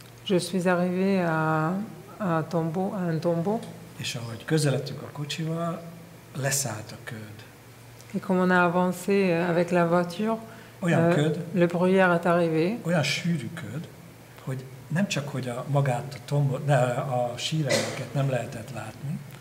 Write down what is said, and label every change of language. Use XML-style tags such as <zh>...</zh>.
<fr>Je suis arrivé à un tombeau.</fr> <hu>És ahogy közeledtük a kocsival, leszállt a köd.</hu> <fr>Et comme on a avancé avec la voiture, le bruyère est arrivé.</fr> <hu>Olyan sűrű köd, hogy nem csak hogy a magát a tombot, a síremléket nem lehetett látni.</hu>